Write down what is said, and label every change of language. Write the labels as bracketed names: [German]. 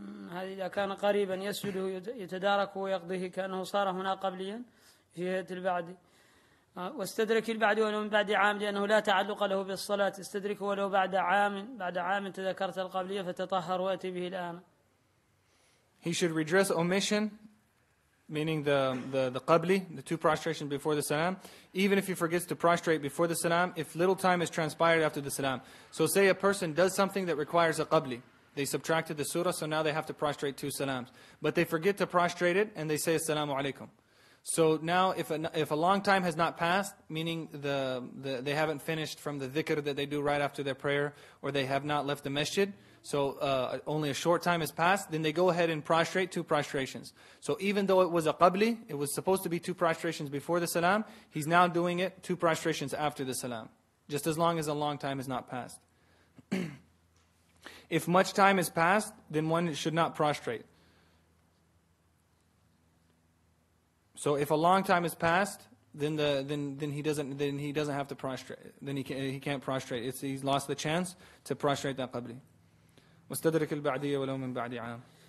[Arabic] هذا إذا كان قريبا يسجد يتداركه ويقضيه كأنه صار هنا قبليا في هيئة البعد. واستدرك البعد ولو من بعد عام لأنه لا تعلق له بالصلاة، استدرك ولو بعد عام، بعد عام تذكرت القبلية فتطهر وأتي به الآن. [English] He should redress omission, meaning the qabli, the two prostrations before the salam, even if he forgets to prostrate before the salam, if little time has transpired after the salam. So say a person does something that requires a qabli. They subtracted the surah, so now they have to prostrate two salams. But they forget to prostrate it, and they say assalamu alaikum. So now, if a long time has not passed, meaning they haven't finished from the dhikr that they do right after their prayer, or they have not left the masjid, so only a short time has passed, then they go ahead and prostrate two prostrations. So even though it was a qabli, it was supposed to be two prostrations before the salam, he's now doing it two prostrations after the salam, just as long as a long time has not passed. If much time has passed, then one should not prostrate. So if a long time has passed, then he doesn't have to prostrate. Then he can't prostrate. He's lost the chance to prostrate that qabli. [Arabic] واستدرك البعدية ولو من بعد عام.